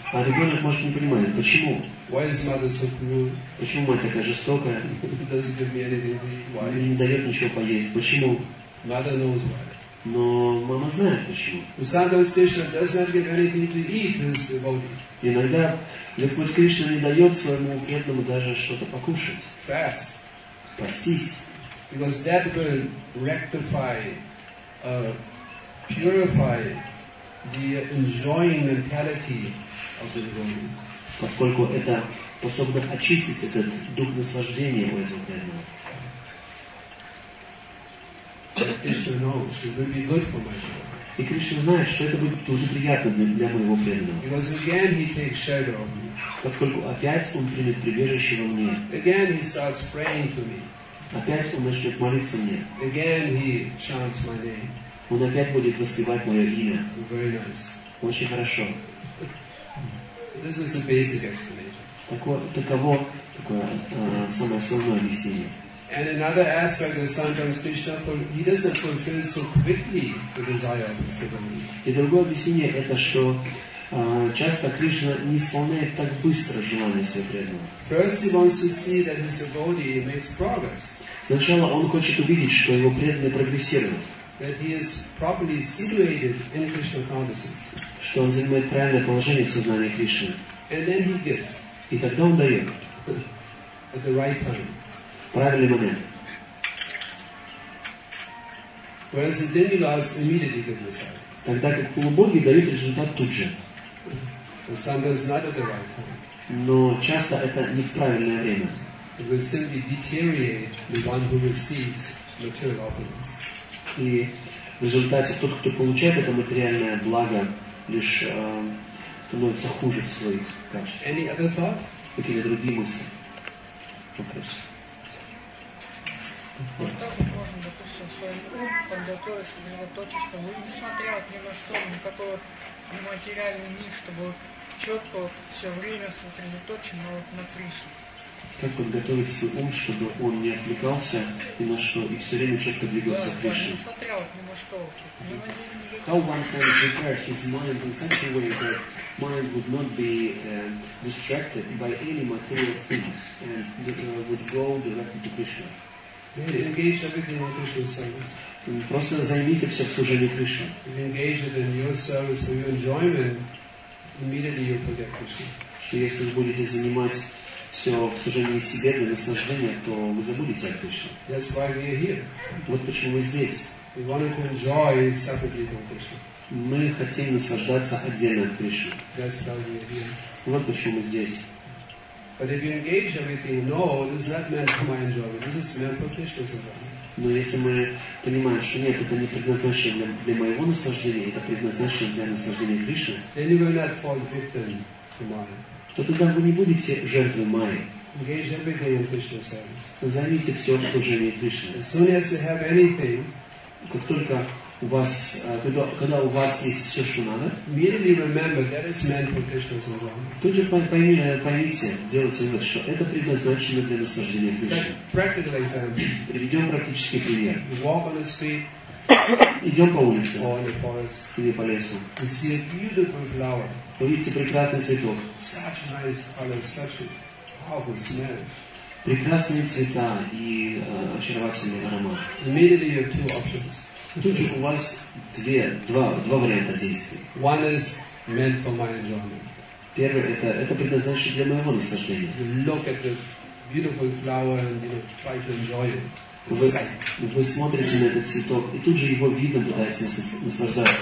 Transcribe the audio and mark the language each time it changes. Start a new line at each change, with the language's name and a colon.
Russian: А ребенок может не понимать, почему?
English: Why is mother so cruel?
Russian: Почему мать такая жестокая?
English: Doesn't give me anything. Why?
Russian: Не дает ничего поесть. Почему?
English: Mother knows why.
Russian: Но мама знает почему.
English: Sometimes Krishna does not give anything to eat to his devotee.
Russian: Иногда Господь Кришна не дает своему преданному даже что-то покушать.
English: Fast.
Russian: Постись.
English: Because that will rectify, purify the enjoying mentality of the devotee.
Russian: Поскольку это способно очистить этот дух наслаждения у этого преданного.
English: Krishna knows it will be good for my soul.
Russian: И Кришна знает, что это будет тоже приятно для моего преданного.
English: Because again he takes shelter of me.
Russian: Поскольку опять он примет прибежище во мне.
English: Again he starts praying to me.
Russian: Опять он начнет молиться мне.
English: Again he chants my name.
Russian: Он опять будет воспевать мое имя.
English: Very nice.
Russian: Очень хорошо.
English: This is a basic explanation.
Russian: Самое основное объяснение.
English: And another aspect is sometimes Krishna, he doesn't fulfill so quickly the desire of his devotee.
Russian: И другое объяснение это что часто Кришна не исполняет так быстро желание своего преданного.
English: First he wants to see that his devotee makes progress.
Russian: Сначала он хочет увидеть, что его преданный прогрессирует.
English: That he is properly situated in Krishna consciousness.
Russian: Что он занимает правильное положение в сознании Кришны.
English: And then he gives.
Russian: И тогда он дает.
English: At the right time.
Russian: Правильный момент.
English: Whereas the demigods immediately give the sign.
Russian: Тогда как полубоги дают результат тут же.
English: And sometimes not at the right time.
Russian: Но часто это не в правильное время.
English: It will simply deteriorate the one who receives material opulence.
Russian: И в результате тот, кто получает это материальное благо, лишь становится хуже в своих качествах.
English: Any other thought?
Russian: Какие-то другие мысли? Вопрос. Вот. Как вот можно, допустим, свой ум подготовить, чтобы его точечно, несмотря ни на что, никакого материального ни, чтобы четко все время сосредоточен на, вот, на Кришне? Как подготовить свой ум, чтобы он не отвлекался ни на что и все время четко двигался к Кришне? Да, несмотря вот, ни на что.
English: How one can prepare his mind in such a way that mind would not be distracted by any material things and would go directly to Krishna? Engage everything in Krishna's service.
Russian: Просто займите все в служении Кришне.
English: Engage it in your service for your enjoyment, immediately you forget Krishna.
Russian: Что если вы будете занимать все в служении себе для наслаждения, то вы забудете о Кришне.
English: That's why we are here.
Russian: Вот почему мы здесь.
English: We wanted to enjoy separately from Krishna.
Russian: Мы хотим наслаждаться отдельно от Кришны.
English: That's why we are here.
Russian: Вот почему мы здесь.
English: But if you engage everything, no, this is not meant for my enjoyment. This is meant for Krishna's enjoyment.
Russian: Но если мы понимаем, что нет, это не предназначено для моего наслаждения, это предназначено для наслаждения Кришны.
English: Then you will not fall victim to Maya.
Russian: То тогда вы не будете жертвой Майи.
English: Engage everything in Krishna's service.
Russian: Займите все в служении Кришне.
English: As soon as you have anything,
Russian: как только у вас, когда у вас есть все, что надо,
English: immediately remember that it's meant for Krishna's enjoyment.
Russian: Тут же поймите, делайте вывод, что это предназначено для наслаждения Кришны.
English: Practical example.
Russian: Приведем практический пример.
English: You walk on the street,
Russian: идем по улице,
English: or in the forest,
Russian: или по лесу.
English: You see a beautiful flower.
Russian: Вы видите прекрасный цветок.
English: Such nice color, such a powerful smell.
Russian: Прекрасные цвета и очаровательный аромат.
English: Immediately you have two options.
Russian: Тут же у вас два варианта действий.
English: One is meant for my enjoyment.
Russian: Первый это предназначено для моего наслаждения.
English: You look at the beautiful flower and you try to enjoy it.
Russian: Вы смотрите на этот цветок и тут же его видом пытаетесь наслаждаться.